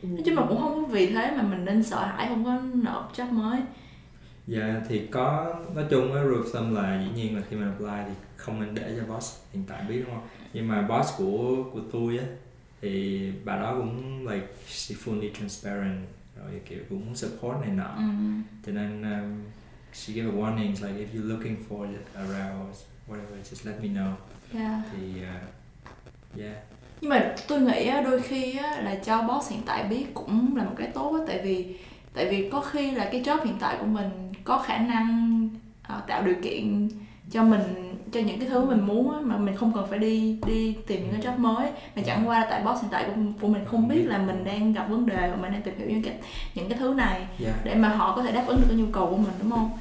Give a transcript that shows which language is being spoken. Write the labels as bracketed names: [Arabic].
[Vietnamese] Chứ mà cũng không vì thế mà mình nên sợ hãi không có nộp job mới. Dạ thì có, nói chung á, [English] rule of thumb [Vietnamese] là dĩ nhiên là khi mình apply thì không nên để cho boss hiện tại biết đúng không? Nhưng mà boss của tôi á, thì bà đó cũng [English] like she fully transparent, [Vietnamese] rồi kiểu cũng support này nọ. Cho nên [English] she gave a warning like if you're looking for it around whatever, just let me know. Yeah. [Vietnamese] Thì nhưng mà tôi nghĩ á, đôi khi á, là cho boss hiện tại biết cũng là một cái tốt á, tại vì có khi là cái job hiện tại của mình có khả năng tạo điều kiện cho mình, cho những cái thứ mình muốn á, mà mình không cần phải đi tìm những cái job mới, mà chẳng qua là tại boss hiện tại của mình không biết là mình đang gặp vấn đề và mình đang tìm hiểu những cái thứ này để mà họ có thể đáp ứng được cái nhu cầu của mình, đúng không?